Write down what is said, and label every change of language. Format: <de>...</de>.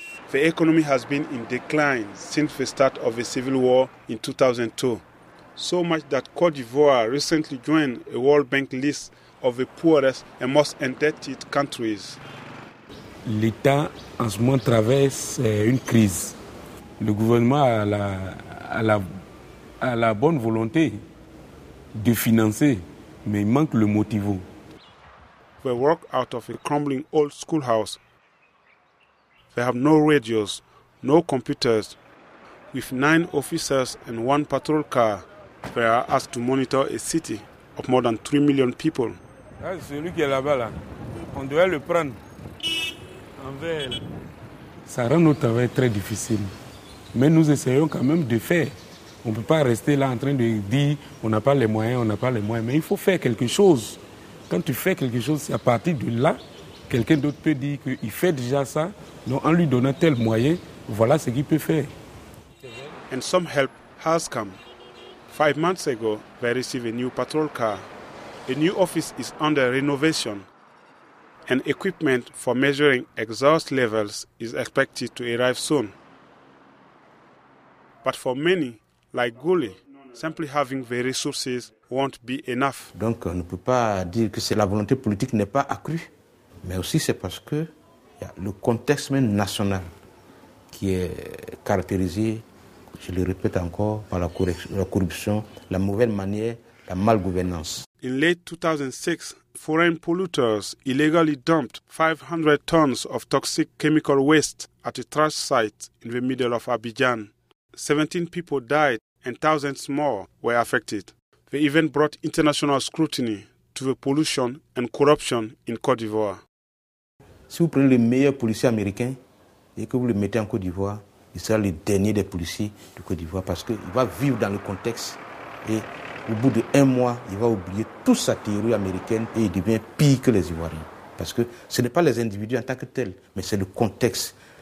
<en>The economy has been in decline since the start of the civil war in 2002. So much that Côte d'Ivoire recently joined a World Bank list of the poorest and most indebted countries.</en> <fr>L'État en ce moment traverse une crise. Le gouvernement a la bonne volonté de financer. Mais il manque le motivo.</fr> <en>They work out of a crumbling old schoolhouse. They have no radios, no computers. With 9 officers and 1 patrol car, they are asked to monitor a city of more than 3 million people.</en> <fr>Ah, celui qui est là-bas, là. On doit le prendre. En vrai. Ça rend notre travail très difficile. Mais nous essayons quand même de faire. On ne peut pas rester là en train de dire on n'a pas les moyens, on n'a pas les moyens. Mais il faut faire quelque chose. Quand tu fais quelque chose, c'est à partir de là, quelqu'un d'autre peut dire qu'il fait déjà ça. Donc en lui donnant tel moyen, voilà ce qu'il peut faire.</fr> <en>And some help has come. 5 months ago, they received a new patrol car. A new office is under renovation. And equipment for measuring exhaust levels is expected to arrive soon. But for many, like Gouli, simply having the resources won't be enough.</en> <fr>Donc on ne peut pas dire que c'est la volonté politique n'est pas accrue, mais aussi c'est parce que y a le contexte même national qui est caractérisé, je le répète encore, par la corruption, la mauvaise manière, la malgouvernance.</fr> <en>In late 2006, foreign polluters illegally dumped 500 tons of toxic chemical waste at a trash site in the middle of Abidjan. 17 people died and thousands more were affected. They even brought international scrutiny to the pollution and corruption in Côte d'Ivoire.</en> <fr>Si vous prenez le meilleur policier américain et que vous le mettez en Côte d'Ivoire, il sera le dernier des policiers de Côte d'Ivoire parce qu'il va vivre dans le contexte et au bout d'un mois, il va oublier toute sa théorie américaine et il devient pire que les Ivoiriens. Parce que ce n'est pas les individus en tant que tels, mais c'est le contexte.</fr>